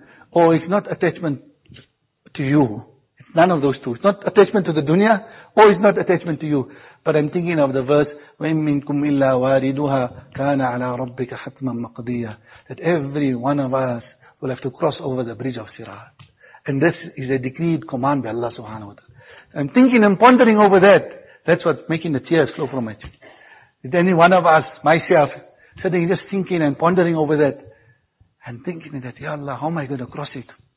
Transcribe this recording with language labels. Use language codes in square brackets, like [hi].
[en] Or it's not attachment to you. It's none of those two. It's not attachment to the dunya, or it's not attachment to you. But I'm thinking of the verse, [ar] وَإِن مِنْكُمْ إِلَّا وَارِدُهَا كَانَ عَلَىٰ رَبِّكَ حَتْمًا مَقْضِيًّا. [en] That every one of us will have to cross over the bridge of Sirat. And this is a decreed command by Allah subhanahu wa ta'ala. I'm thinking and pondering over that. That's what's making the tears flow from my cheek. Is any one of us, myself, sitting just thinking and pondering over that, and thinking that, Ya Allah, how am I going to cross it?